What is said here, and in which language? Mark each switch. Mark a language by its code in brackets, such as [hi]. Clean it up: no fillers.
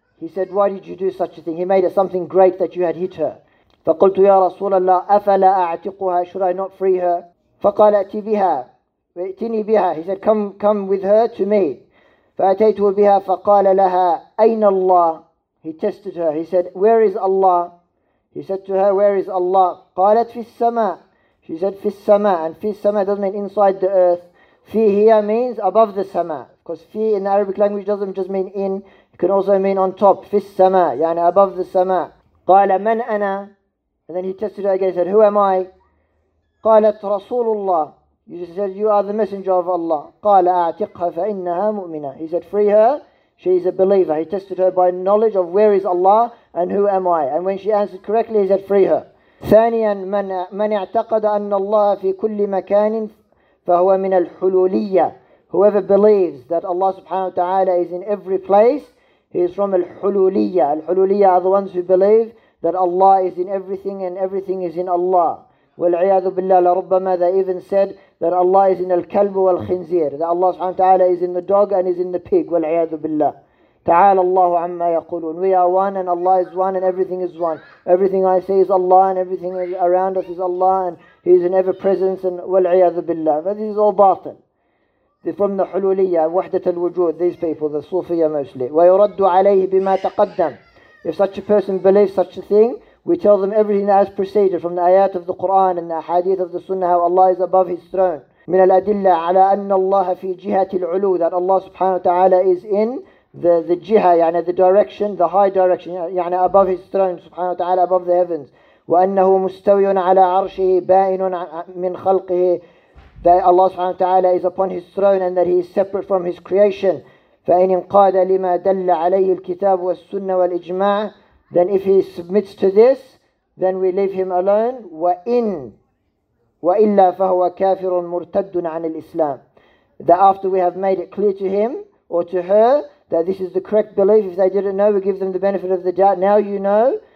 [en] He said, why did you do such a thing? He made it something great that you had hit her. [ar] فقلت يا رسول الله أفلا أعتقها. [en] Should I not free her? [ar] فقال أتي بها. فأتني بها. [en] He said, come with her to me. [ar] فأتيته بها فقال لها أين الله. [en] He tested her. He said, where is Allah? He said to her, where is Allah? [ar] قالت في السماء. [en] She said, في السماء. And في السماء doesn't mean inside the earth. في here means above the سماء. Because في in the Arabic language doesn't just mean in. It can also mean on top. في السماء. Above the سماء. [ar] قال من أنا. [en] And then he tested her again. He said, who am I? [ar] قالت رسول الله. [en] He said, you are the messenger of Allah. [ar] قال أعتقها فإنها مؤمنة. [en] He said, free her. She is a believer. He tested her by knowledge of where is Allah and who am I. And when she answered correctly, he said, free her. [ar] ثانيا من اعتقد أن الله في كل مكان فهو من الحلولية. [en] Whoever believes that Allah subhanahu wa ta'ala is in every place, he is from الحلولية. الحلولية are the ones who believe that Allah is in everything and everything is in Allah. [ar] والعياذ بالله لربما. [en] They even said that Allah is in [ar] الكلب والخنزير. [en] That Allah subhanahu wa ta'ala is in the dog and is in the pig. [ar] والعياذ بالله. تعالى الله عما يقولون. [en] We are one and Allah is one and everything is one. Everything I say is Allah and everything around us is Allah and He is in ever presence and [ar] والعياذ بالله. [en] But this is all باطل. From the حلولية وحدة الوجود. These people, the Sufiya mostly. [ar] ويرد عليه بما تقدم. [en] If such a person believes such a thing, we tell them everything that has proceeded from the ayat of the Quran and the hadith of the Sunnah, how Allah is above His throne. [ar] من الأدلة على أن الله في جهة العلو, [en] that Allah subhanahu wa ta'ala is in the jiha, the direction, the high direction, above His throne, subhanahu wa ta'ala, above the heavens. [ar] وأنه مستوي على عرشه بائن من خلقه, [en] that Allah subhanahu wa ta'ala is upon His throne and that He is separate from His creation. [ar] فإن انقاد لما دل عليه الكتاب والسنة والإجماع. [en] Then if he submits to this, then we leave him alone. [ar] وَإِنْ وَإِلَّا فَهُوَ كَافِرٌ مُرْتَدٌ عَنِ الْإِسْلَامِ. [en] That after we have made it clear to him or to her that this is the correct belief, if they didn't know, we give them the benefit of the doubt. Now you know.